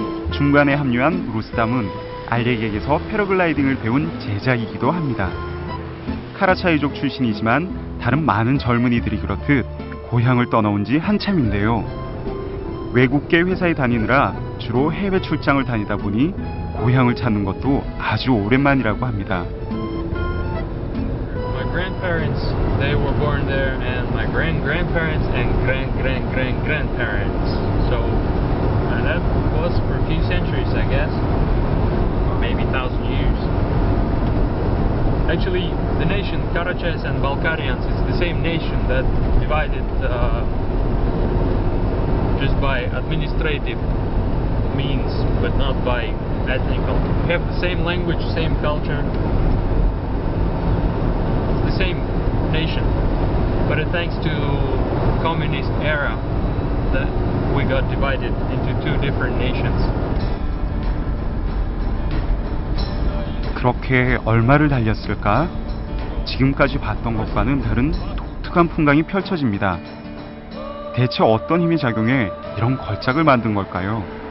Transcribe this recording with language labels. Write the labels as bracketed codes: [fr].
[ko] 중간에 합류한 루스담은 알렉에게서 패러글라이딩을 배운 제자이기도 합니다. 카라차이족 출신이지만 다른 많은 젊은이들이 그렇듯 고향을 떠나온 지 한참인데요. 외국계 회사에 다니느라 주로 해외 출장을 다니다 보니 고향을 찾는 것도 아주 오랜만이라고 합니다. [en] My grandparents, they were born there and my grandparents and grandparents. So that was for a few centuries, I guess. Maybe 1,000 years. Actually, the nation Karachays and Balkarians is the same nation that divided just by administrative means, but not by ethnical. We have the same language, same culture, the same nation. But thanks to communist era, that we got divided into two different nations. [ko] 그렇게 얼마를 달렸을까? 지금까지 봤던 것과는 다른 독특한 풍광이 펼쳐집니다. 대체 어떤 힘이 작용해 이런 걸작을 만든 걸까요?